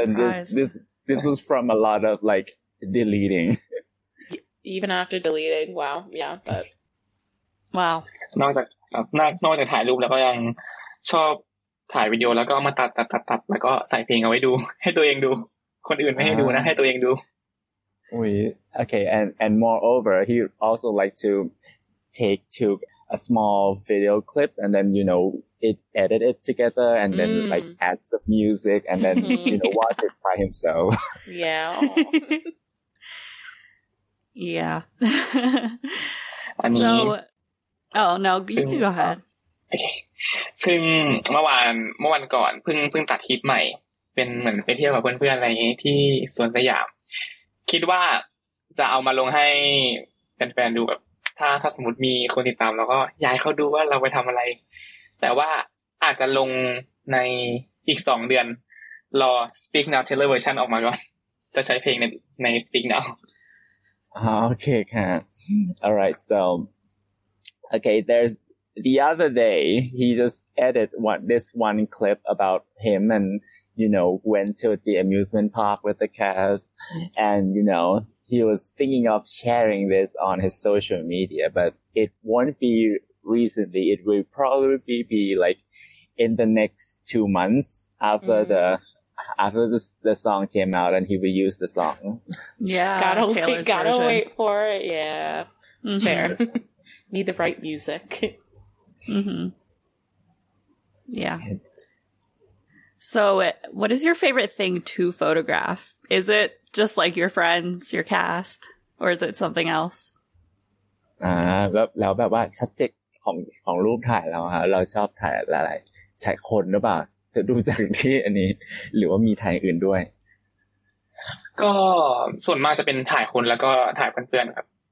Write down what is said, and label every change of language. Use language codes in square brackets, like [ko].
[en] and this was from a lot of like deleting even after deleting wow yeah but wow [th] นอกจากนอกจากถ่ายรูปแล้วก็ยังชอบถ่ายวิดีโอแล้วก็มาตัดแล้วก็ใส่เพลงเอาไว้ดูให้ตัวเองดูคนอื่นไม่ให้ดูนะให้ตัวเองดู อุ้ยโอเค [en] and moreover he also like to took a small video clips and then you know it edit it together and then like add some music and then you know watch it by himself yeah yeah I mean, so Oh no! You can go ahead. [th] พึ่งเมื่อวานก่อนพึ่งตัดคลิปใหม่เป็นเหมือนไปเที่ยวกับเพื่อนๆอะไรอย่างนี้ที่สวนสยามคิดว่าจะเอามาลงให้แฟนๆดูแบบถ้าสมมติมีคนติดตามแล้วก็ย้ายเข้าดูว่าเราไปทำอะไรแต่ว่าอาจจะลงในอีก2 เดือนรอ Speak Now Taylor version ออกมาก่อนจะใช้เพลงใน Speak Now โอเคค่ะ [en] All right soOkay, there's the other day, he just edited this one clip about him and, you know, went to the amusement park with the cast. And, you know, he was thinking of sharing this on his social media, but it won't be recently. It will probably be like in the next 2 months after the song came out and he will use the song. Yeah. Gotta wait for it. Yeah. It's fair. Need the right music. Mm-hmm. Yeah. So what is your favorite thing to photograph? Is it just like your friends, your cast, or is it something else? [th] แล้วแบบว่า subject ของรูปถ่ายเราฮะเราชอบถ่ายอะไรใช้คนหรือเปล่าจะดูจากที่อันนี้หรือว่ามีถ่ายอื่นด้วย ก็ส่วนมากจะเป็นถ่ายคนแล้วก็ถ่ายเพื่อนๆครับ